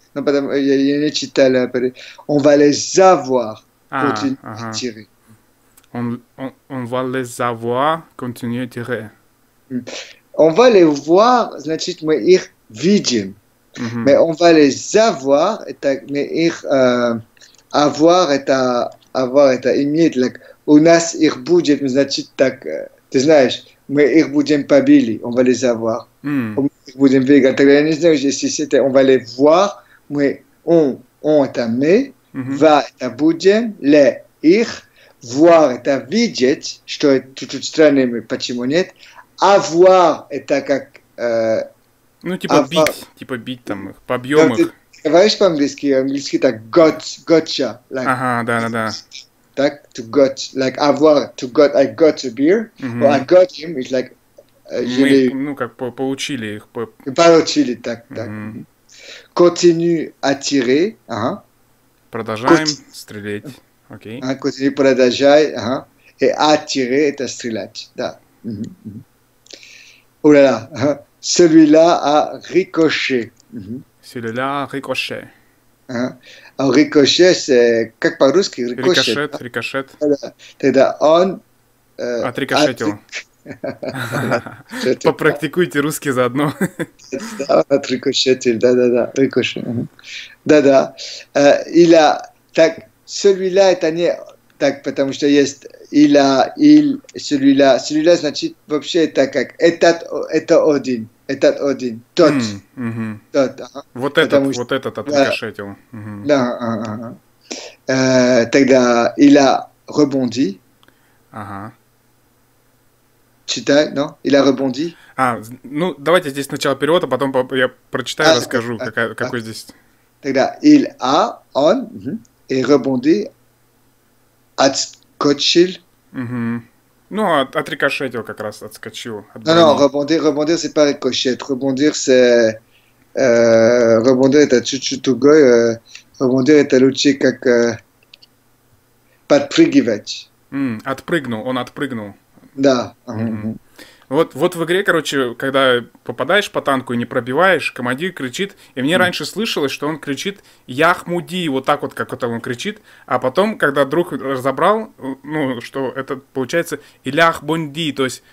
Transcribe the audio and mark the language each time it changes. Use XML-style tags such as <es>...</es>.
<fr>Non, pas d'accord, il y a une petite à l'appeler. On va les avoir, continue à tirer. On va les avoir, continue à tirer. On va les voir,</fr> <ru>значит, мы их видим.</ru> <fr>Mais on va les avoir, mais</fr> <ru>их</ru> <fr>avoir, avoir,</fr> <ru>это иметь.</ru> <en>Like,</en> <ru>у нас их будет, значит, так, ты знаешь, мы их будем побили,</ru> <fr>on va les avoir.</fr> <ru>Мы их будем выиграть. Тогда я не знаю, если c'était,</ru> <fr>on va les voir,</fr> <ru>мы, on это мы, va, это будем, les, их, voir, это видеть, что это тут странно, почему нет,</ru> <fr>avoir,</fr> <ru>это как... ну, типа</ru> <fr>avoir.</fr> <ru>Бить, типа бить там их, побьем их. Говоришь по-английски, английский так</ru> <en>got, gotcha. Like,</en> <ru>ага, да-да-да. так,</ru> <en>to got, like</en> <fr>avoir,</fr> <en>to got, I got a beer, or I got him, it's like,</en> <ru>Мы их, ну, как получили их. получили, так, так.</ru> <fr>Continue à tirer,</fr> <ru>Продолжаем стрелять, окей.</ru> <fr>Continue,</fr> <ru>продолжай,</ru> <fr>et à tirer,</fr> <ru>это стрелять, да.</ru> <fr>Oh là là, celui-là a ricoché. Celui-là a ricoché. Ricochet, c'est...</fr> <ru>Как по-русски?</ru> <fr>Ricochet, ricochet.</fr> <ru>Тогда он... Отрикошетил. Попрактикуйте русский заодно. Да, он отрикошетил, да-да-да,</ru> <fr>ricochet.</fr> <ru>Да-да.</ru> <fr>Il a...</fr> <ru>Так,</ru> <fr>celui-là,</fr> <ru>это не... Так, потому что есть...</ru> <fr>Il a... Il... Celui-là... Celui-là,</fr> <ru>значит, вообще, это как... Это один. Этот один, тот, тот, вот этот, потому, вот этот отрикошетил. Да, тогда</ru> <fr>il a rebondi.</fr> <ru>Ага. Читай, но</ru> <fr>il a rebondi.</fr> <ru>А, ну давайте здесь сначала перевод, а потом я прочитаю и расскажу, какой здесь. Тогда</ru> <fr>il a,</fr> <ru>он, и</ru> <fr>rebondi,</fr> <ru>отскочил. Ну, отрикошетил как раз, отскочил.</ru> <fr>Ну, rebondir, rebondir, c'est pas ricochet. Rebondir, c'est... rebondir,</fr> <ru>это чуть-чуть другой.</ru> <fr>Rebondir,</fr> <ru>это лучше как... подпрыгивать. Отпрыгнул, он отпрыгнул. Да. Вот, вот в игре, короче, когда попадаешь по танку и не пробиваешь, командир кричит, и мне раньше слышалось, что он кричит «Яхмуди», вот так вот как-то он кричит, а потом, когда друг разобрал, ну, что это получается «Иляхбунди», то есть...</ru>